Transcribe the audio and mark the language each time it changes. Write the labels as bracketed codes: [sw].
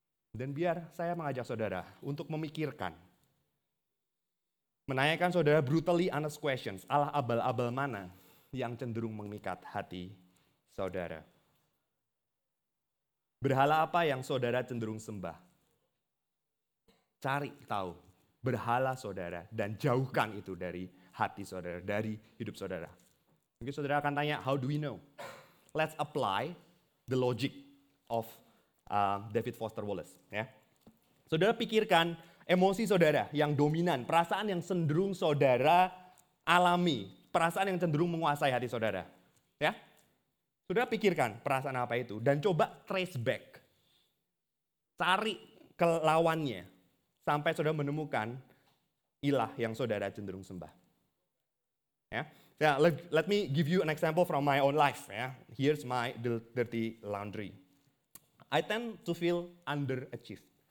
[id] Dan biar saya mengajak saudara untuk memikirkan, menanyakan saudara [en] brutally honest questions, [id] Allah abal-abal mana yang cenderung mengikat hati saudara? Berhala apa yang saudara cenderung sembah? Cari tahu berhala saudara dan jauhkan itu dari hati saudara, dari hidup saudara. Mungkin saudara akan tanya, [en] how do we know? Let's apply the logic of David Foster Wallace. [id] Ya. Saudara pikirkan emosi saudara yang dominan, perasaan yang cenderung saudara alami, perasaan yang cenderung menguasai hati saudara. Ya. Saudara pikirkan perasaan apa itu dan coba [en] trace back. [id] Cari ke lawannya sampai saudara menemukan ilah yang saudara cenderung sembah. Ya. [en] Yeah, let me give you an example from my own life. Yeah. Here's my dirty laundry. I tend to feel underachieved.